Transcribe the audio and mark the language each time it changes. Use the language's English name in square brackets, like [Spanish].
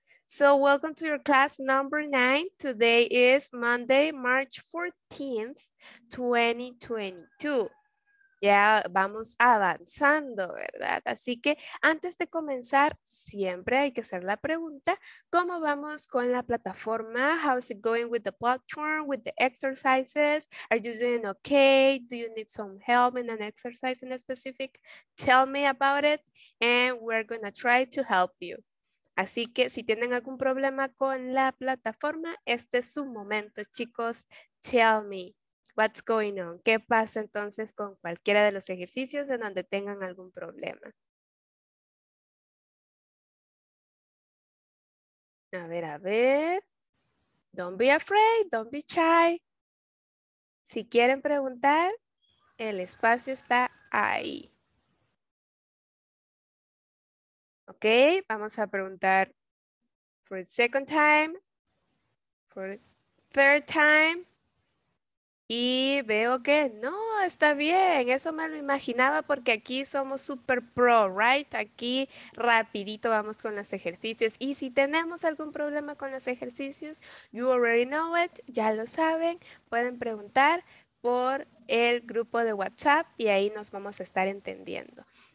[English] So, welcome to your class number 9. Today is Monday, March 14th, 2022. [Spanish] Ya vamos avanzando, ¿verdad? Así que antes de comenzar, siempre hay que hacer la pregunta, ¿cómo vamos con la plataforma? [English] How is it going with the platform, with the exercises? Are you doing okay? Do you need some help in an exercise in a specific? Tell me about it and we're gonna try to help you. [Spanish] Así que si tienen algún problema con la plataforma, este es su momento, chicos. [English] Tell me. What's going on? [Spanish] ¿Qué pasa entonces con cualquiera de los ejercicios en donde tengan algún problema? A ver, [English] don't be afraid, don't be shy. [Spanish] Si quieren preguntar, el espacio está ahí. Ok, vamos a preguntar [English] for the second time, for the third time. [Spanish] Y veo que no, está bien, eso me lo imaginaba porque aquí somos super pro, [English] right? [Spanish] Aquí rapidito vamos con los ejercicios. Y si tenemos algún problema con los ejercicios, [English] you already know it, [Spanish] ya lo saben, pueden preguntar por el grupo de WhatsApp y ahí nos vamos a estar entendiendo.